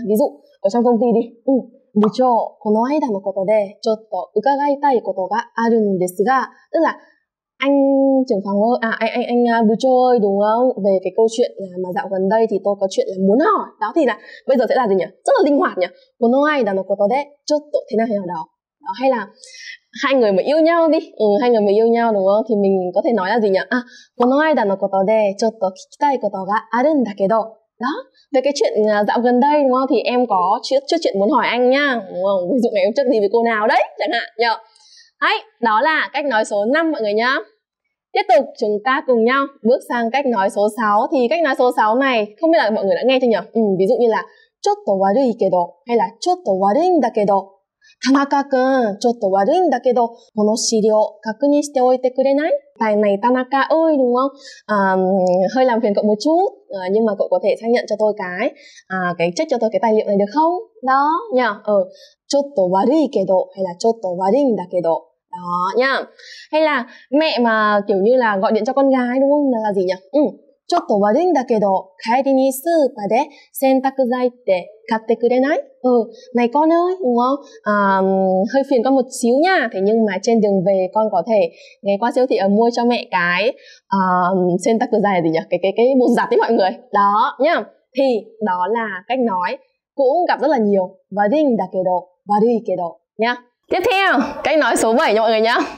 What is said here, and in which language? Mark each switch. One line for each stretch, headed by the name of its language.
Vietnamese: Ví dụ, ở trong công ty đi. Bộ trưởng,
Japanese: この間のことでちょっと伺いたいことがあるんですが、
Vietnamese: tức là anh trưởng phòng ơi, anh bộ trưởng ơi, đúng không? Về cái câu chuyện mà dạo gần đây thì tôi có chuyện là muốn hỏi. Đó thì là bây giờ sẽ là gì nhỉ? Rất là linh hoạt nhỉ.
Japanese: この間のことでちょっと
Vietnamese: thế nào thế nào đó. Đó, hay là hai người mà yêu nhau đi. Ừ, hai người mà yêu nhau đúng không? Thì mình có thể nói là gì nhỉ?
Japanese: À, この間のことでちょっと聞きたいことがあるんだけど.
Vietnamese: Đó, về cái chuyện dạo gần đây đúng không? Thì em có trước chuyện muốn hỏi anh nha. Đúng không? Ví dụ ngày em trước gì với cô nào đấy chẳng hạn nhỉ? Đấy, đó là cách nói số 5 mọi người nhá. Tiếp tục chúng ta cùng nhau bước sang cách nói số 6. Thì cách nói số 6 này không biết là mọi người đã nghe chưa nhỉ? Ừ, ví dụ như là
Japanese: ちょっと悪いけど
Vietnamese: hay là
Japanese: ちょっと悪いんだけど田中くん、ちょっと悪いんだけど、この資料確認しておいてくれない？
Vietnamese: Tại này田中ơi, đúng không? Hơi làm phiền cậu một chút, nhưng mà cậu có thể xác nhận cho tôi cái check cho tôi cái tài liệu này được không? Đó, nhờ. Ừ.
Japanese: ちょっと悪いけど,
Vietnamese: hay là
Japanese: ちょっと悪いんだけど.
Vietnamese: Đó, nhờ. Hay là mẹ mà kiểu như là gọi điện cho con gái, đúng không? Là gì nhờ? Ừ.
Japanese: ちょっと悪いんだけど、帰りにスーパーで洗濯剤って買ってくれない？
Vietnamese: Ừ, này con ơi, đúng không? Hơi phiền con một xíu nha. Thế nhưng mà trên đường về con có thể ngày qua siêu thị ở mua cho mẹ cái xin tắc dài gì nhỉ? Cái bột giặt ấy mọi người. Đó, nhá. Thì đó là cách nói cũng gặp rất là nhiều. Và đi đà kê độ, và đi kê độ, nhá. Tiếp theo, cách nói số 7 nha mọi người nhá.